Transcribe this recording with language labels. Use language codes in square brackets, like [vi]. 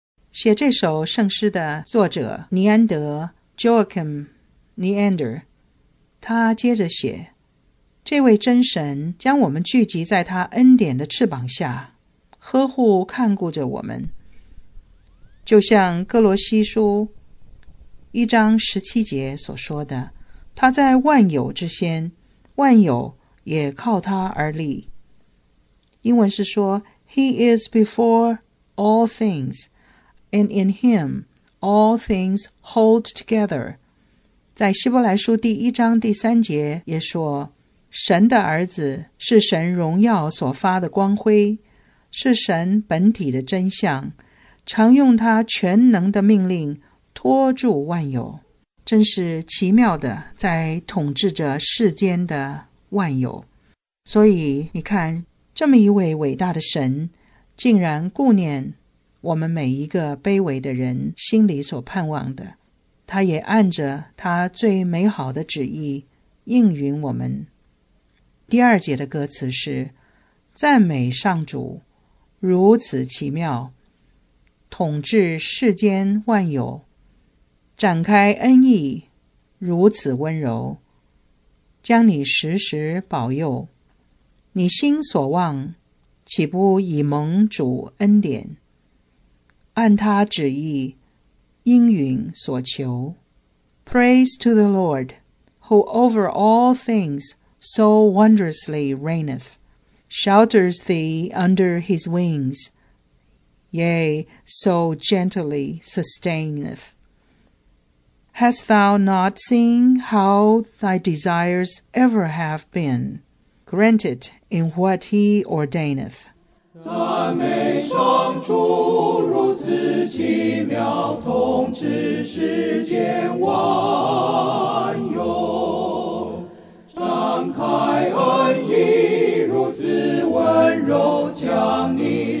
[zh] 写这首圣诗的作者尼安德 Joachim Neander， 他接着写，这位真神将我们聚集在他恩典的翅膀下，呵护看顾着我们。就像哥罗西书一章十七节所说的，他在万有之先，万有也靠他而立。英文是说 [en] He is before all things, and in him all things hold together. [zh] 在希伯来书第一章第三节也说，神的儿子是神荣耀所发的光辉，是神本体的真相，常用他全能的命令托住万有，真是奇妙的在统治着世间的万有。所以你看，这么一位伟大的神竟然顾念我们每一个卑微的人心里所盼望的，他也按着他最美好的旨意应允我们。第二节的歌词是，赞美上主，如此奇妙，统治世间万有，展开恩义，如此温柔，将你时时保佑，你心所望，岂不以蒙主恩典，按他旨意应允所求。 [en] Praise to the Lord, who over all things so wondrously reigneth, shelters thee under his wings,Yea, so gently sustaineth. Hast thou not seen how thy desires ever have been granted in what he ordaineth? [zh] 赞美上主，如此奇妙，统治世间万有，展开恩义，如此温柔，将你